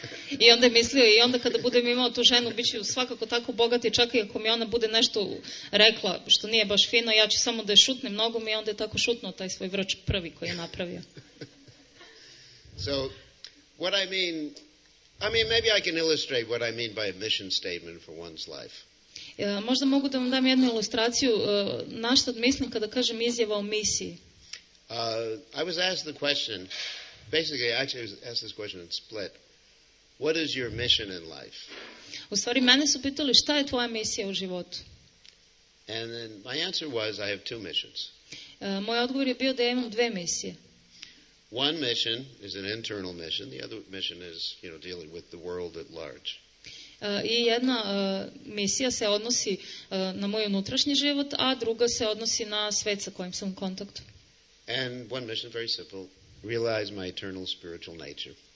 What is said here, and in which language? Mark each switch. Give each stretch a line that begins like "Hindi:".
Serbian: I onda je mislio, i onda kada budem imao tu ženu, bit ću svakako tako bogat, i čak i ako mi ona bude nešto rekla što nije baš fino, ja ću samo da je šutnem nogom, i onda je tako šutnuo taj svoj vrč prvi koji je napravio.
English: So, what I mean, maybe I can illustrate what I mean by a mission statement for one's life.
Serbian: Možda mogu da vam dam jednu ilustraciju na što mislim kada kažem izjava o misiji.
English: I was asked the question, basically actually I was asked this question in Split. What is your mission in life?
Serbian: U stvari mene su pitali šta je tvoja misija u životu.
English: And then my answer was I have two missions.
Serbian: Moj odgovor je bio da ja imam dve misije.
English: One mission is an internal mission, the other mission is, you know, dealing with the world at large.
Serbian: I jedna misija se odnosi na moj unutrašnji život, a druga se odnosi na svet sa kojim sam u kontaktu.
English: And one mission, very simple, realize my eternal spiritual nature.